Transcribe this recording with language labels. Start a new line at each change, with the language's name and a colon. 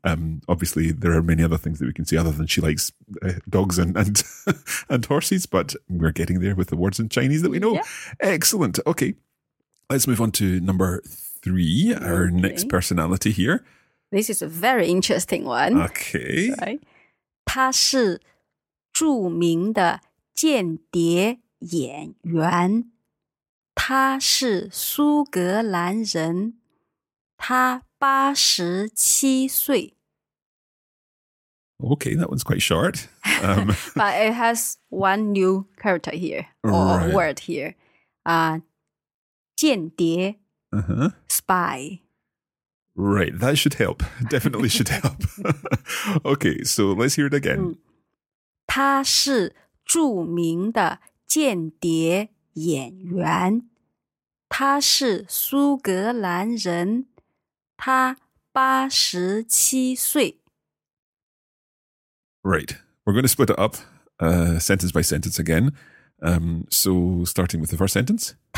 English: Obviously, there are many other things that we can say other than she likes dogs and and horses, but we're getting there with the words in Chinese that we know. Yeah. Excellent. Okay, let's move on to number three, our okay. next personality here. This is a very interesting one. Okay.
Chinese: 他是著名的间谍演员，他是苏格兰人，他八十七岁。
English: Okay, that one's quite short. but it has one new character here, or right. word here. 间谍, spy. Right, that should help. Definitely should help. Okay, so let's hear it again.
Chinese: 他是著名的间谍演员。他是苏格兰人。他87岁。
English: Right, we're going to split it up sentence by sentence again. So starting with the first sentence.